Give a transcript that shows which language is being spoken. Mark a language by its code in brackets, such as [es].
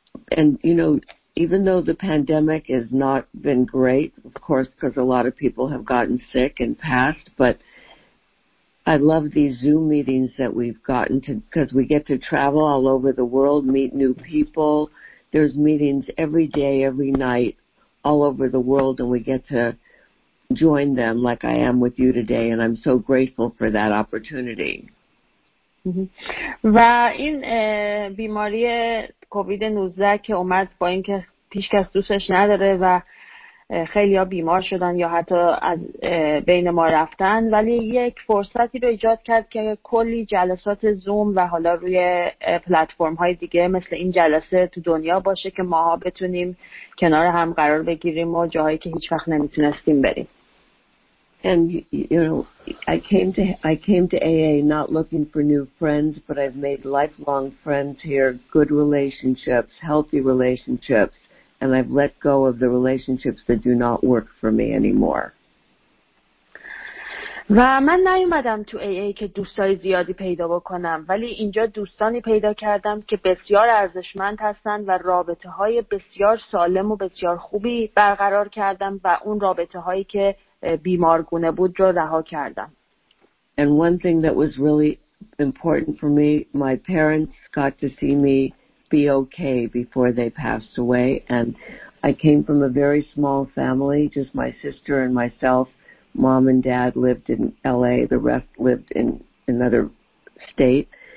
[en] And you know, even though the pandemic has not been great, of course, because a lot of people have gotten sick and passed, but I love these Zoom meetings that we've gotten to because we get to travel all over the world, meet new people. There's meetings every day, every night, all over the world, and we get to join them like I am with you today and I'm so grateful for that opportunity. [fa] و این بیماری کووید 19 که اومد با اینکه پیش کس دوستش نداره و خیلی ها بیمار شدن یا حتی از بین ما رفتن، ولی یک فرصتی رو ایجاد کرد که کلی جلسات زوم و حالا روی پلتفرم های دیگه مثل این جلسه تو دنیا باشه که ماها بتونیم کنار هم قرار بگیریم و جاهایی که هیچ وقت نمیتونستیم بریم. [en] And you know, I came to AA not looking for new friends, but I've made lifelong friends here, good relationships, healthy relationships. And I've let go of the relationships that do not work for me anymore. [fa] و من نیومدم تو AA که دوستای زیادی پیدا بکنم، ولی اینجا دوستانی پیدا کردم که بسیار ارزشمند هستن و رابطه های بسیار سالم و بسیار خوبی برقرار کردم و اون رابطه هایی که بیمارگونه بود رو رها کردم. [en] And one thing that was really important for me, my parents got to see me be okay before they passed away, and I came from a very small family, just my sister and myself. Mom and dad lived in LA, the rest lived in another state.